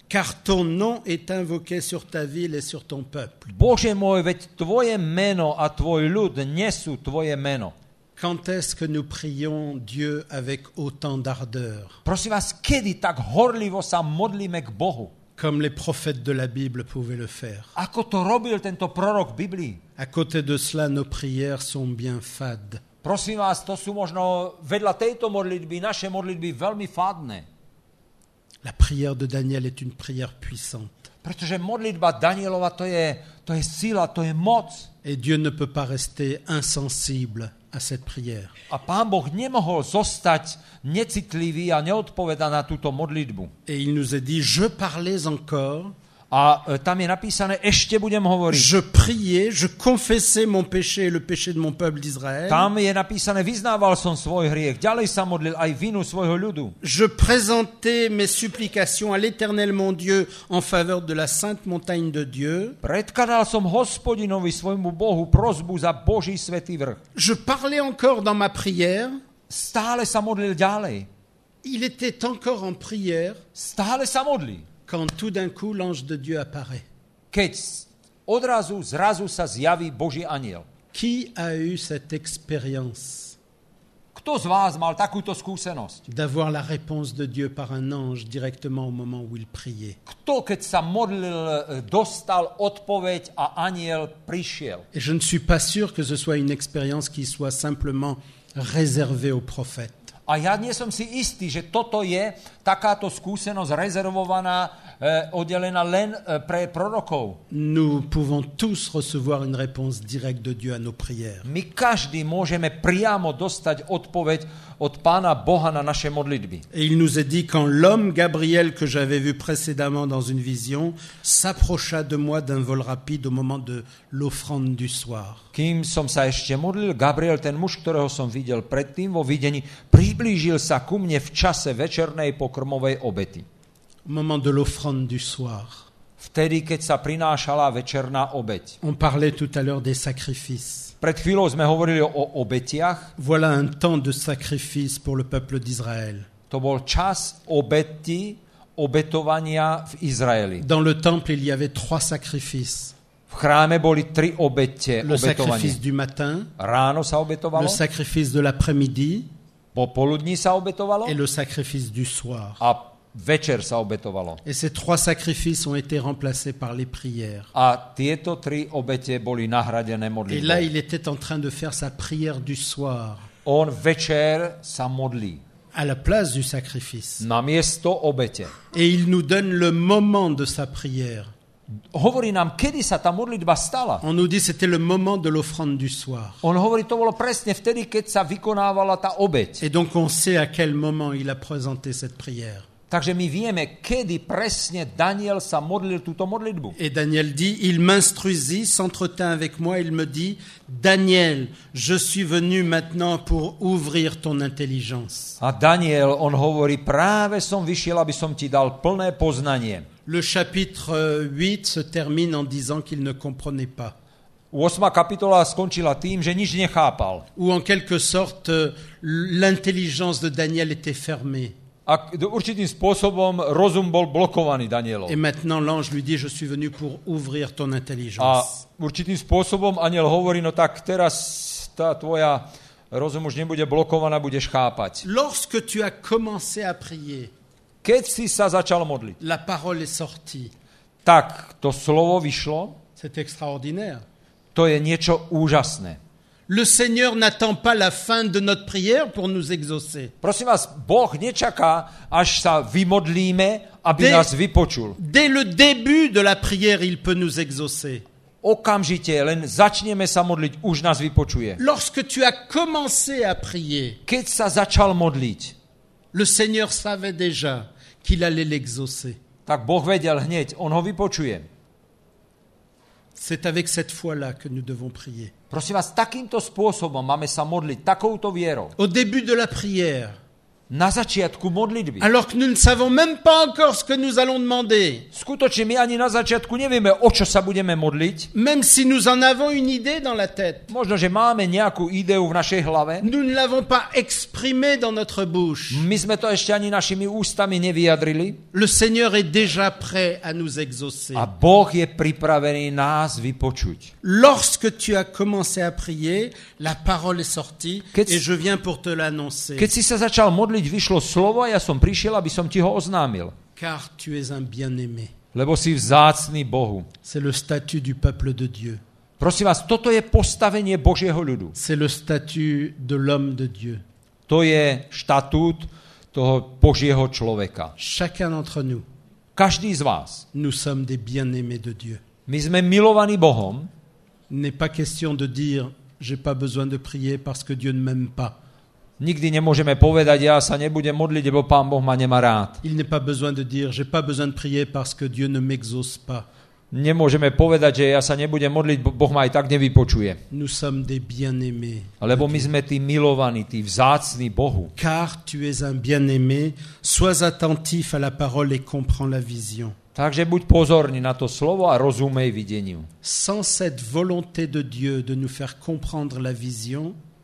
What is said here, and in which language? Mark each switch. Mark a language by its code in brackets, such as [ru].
[fr] Car ton nom est invoqué sur ta ville et sur ton peuple. [sk] Bože môj, veď tvoje meno a tvoj ľud nesú tvoje meno. [fr] Quand est-ce que nous prions Dieu avec autant d'ardeur? [sk] Prosím vás, kedy tak horlivo sa modlíme k Bohu? [fr] Comme les prophètes de la Bible pouvaient le faire. [sk] Ako to robil tento prorok v Biblii? [fr] À côté de cela, nos prières sont bien fades. [sk] Prosím vás, to sú možno vedľa tejto modlitby, naše modlitby veľmi fádne. [fr] La prière de Daniel est une prière puissante. [sk] Pretože modlitba Danielova to je sila, to je moc. [fr] Et Dieu ne peut pas rester insensible à cette prière. [sk] A Pán Boh nemohol zostať necitlivý a neodpovedať na túto modlitbu. [fr] Et il nous a dit je parlais encore. [sk] A tam je napísané ešte budem hovoriť. [fr] Je priais, je confessais mon péché et le péché de mon peuple d'Israël. [sk] Tam je napísané vyznával som svoj hriech, ďalej sa modlil aj vinu svojho ľudu. [fr] Je présentais mes supplications à l'Éternel mon Dieu en faveur de la sainte montagne de Dieu. [sk] Predkladal som Hospodinovi svojmu Bohu prosbu za Boží svätý vrch. [fr] Je parlais encore dans ma prière. [sk] Stále sa modlil ďalej. [fr] Il était encore en prière. [sk] Stále sa modlil. [fr] Quand tout d'un coup l'ange de Dieu apparaît. [sk] Keď odrazu zrazu sa zjaví Boží anjel. [fr] Qui a eu cette expérience? [sk] Kto z vás mal takúto skúsenosť? [fr] D'avoir la réponse de Dieu par un ange directement au moment où il priait. [sk] Kto keď sa modlil dostal odpoveď a anjel prišiel? [fr] Et je ne suis pas sûr que ce soit une expérience qui soit simplement réservée aux prophètes. [sk] A ja nie som si istý, že toto je takáto skúsenosť rezervovaná, oddelená len pre prorokov. [fr] Nous pouvons tous recevoir une réponse directe de Dieu à nos prières. [sk] My každý môžeme priamo dostať odpoveď od Pána Boha na naše modlitby. [fr] Et il nous a dit quand l'homme Gabriel que j'avais vu précédemment dans une vision s'approcha de moi d'un vol rapide au moment de l'offrande du soir. [sk] Kým som sa ešte modlil, Gabriel, ten muž, ktorého som videl predtým vo videní, priblížil sa ku mne v čase večernej pokrmovej obety. [fr] Moment de l'offrande du soir. [sk] Vtedy, keď sa prinášala večerná obeť. [fr] On parlait tout à l'heure des sacrifices. [sk] Pred chvíľou sme hovorili o obetiach. [fr] Voilà un temps de sacrifice pour le peuple d'Israël. [sk] To bol čas obety, obetovania v Izraeli. [fr] Dans le temple, il y avait trois sacrifices. [sk] V chráme boli tri obete, [fr] le sacrifice du matin. [sk] Ráno sa obetovalo. [fr] Le sacrifice de l'après-midi. [sk] Popoludní sa obetovalo. [fr] Et le sacrifice du soir. [sk] A večer sa obetovalo. [fr] Et ces trois sacrifices ont été remplacés par les prières. [sk] A tieto tri obete boli nahradené modlitbou. [fr] Et là, il était en train de faire sa prière du soir. [sk] On večer sa modlí. [fr] À la place du sacrifice. [sk] Na miesto obete. [fr] Et il nous donne le moment de sa prière. [sk] Hovorí nám, kedy sa tá modlitba stala. [fr] On nous dit c'était le moment de l'offrande du soir. [sk] On hovorí, to bolo presne vtedy, keď sa vykonávala tá obeť. [fr] Et donc on sait à quel moment il a présenté cette prière. [sk] Takže my vieme, kedy presne Daniel sa modlil túto modlitbu. [fr] Et Daniel dit, il m'instruisit, s'entretint avec moi, il me dit, Daniel, je suis venu maintenant pour ouvrir ton intelligence. [sk] A Daniel, on hovorí, práve som vyšiel, aby som ti dal plné poznanie. [fr] Le chapitre 8 se termine en disant qu'il ne comprenait pas. [sk] 8. kapitola skončila tým, že nič nechápal. [fr] Ou en quelque sorte, l'intelligence de Daniel était fermée. [sk] A určitým spôsobom rozum bol blokovaný Danielom. [fr] Et maintenant l'ange lui dit, je suis venu pour ouvrir ton intelligence. [sk] A určitým spôsobom anjel hovorí, no tak teraz tá tvoja rozum už nebude blokovaná, budeš chápať. [fr] Lorsque tu as commencé à prier, [sk] keď si sa začal modliť, [fr] la parole est sortie. [sk] Tak to slovo vyšlo. [fr] C'est extraordinaire. [sk] To je niečo úžasné. [fr] Le Seigneur n'attend pas la fin de notre prière pour nous exaucer. [sk] Prosím vás, Boh nečaká, až sa vymodlíme, aby nás vypočul. [fr] Dès le début de la prière, il peut nous exaucer. [sk] Okamžite, len začneme sa modliť, už nás vypočuje. [fr] Lorsque tu as commencé à prier, [sk] keď sa začal modliť, [fr] le Seigneur savait déjà qu'il allait l'exaucer. [sk] Tak Boh vedel hneď, on ho vypočuje. [fr] C'est avec cette foi-là que nous devons prier. [sk] Prosím vás, takýmto spôsobom máme sa modliť, takouto vierou. [fr] Au début de la prière. [sk] Na začiatku modlitby. [fr] Alors que nous ne savons même pas encore ce que nous allons demander. [sk] Skutočne my ani na začiatku nevieme, o čo sa budeme modliť. [fr] Même si nous en avons une idée dans la tête. [sk] Možno, že máme nejakú ideu v našej hlave. [fr] Nous ne l'avons pas exprimé dans notre bouche. [sk] My sme to ešte ani našimi ústami nevyjadrili. [fr] Le Seigneur est déjà prêt à nous exaucer. [sk] A Boh je pripravený nás vypočuť. [fr] Lorsque tu as commencé à prier, la parole est sortie et je viens pour te l'annoncer. [sk] Keď si sa začal modliť, vyšlo slovo a ja som prišiel, aby som ti ho oznámil. [fr] Car tu es un bien-aimé. [sk] Lebo si vzácny Bohu. [fr] C'est le statut du peuple de Dieu. [sk] Prosím vás, toto je postavenie Božieho ľudu. [fr] C'est le statut de l'homme de Dieu. [sk] To je štatút toho Božieho človeka. [fr] Chacun d'entre nous. [sk] Každý z vás. [fr] Nous sommes des bien-aimés de Dieu. [sk] My sme milovaní Bohom. [fr] N'est pas question de dire že pas besoin de prier parce que Dieu ne m'aime pas. [sk] Nikdy nemôžeme povedať, ja sa nebudem modliť, lebo Pán Boh ma nemá rád. [fr] Il n'est pas besoin de dire j'ai pas besoin de prier parce que Dieu ne m'exauce pas. [sk] Nemôžeme povedať, že ja sa nebudem modliť, Boh ma aj tak nevypočuje. [fr] Nous sommes des bien-aimés. [sk] Lebo my sme tí milovaní, tí vzácni Bohu. [fr] Car tu es un bien-aimé, sois attentif à la parole et comprends la vision. [sk] Takže buď pozorný na to slovo a rozumej videniu. [fr] Sans cette volonté de Dieu de nous faire comprendre la vision,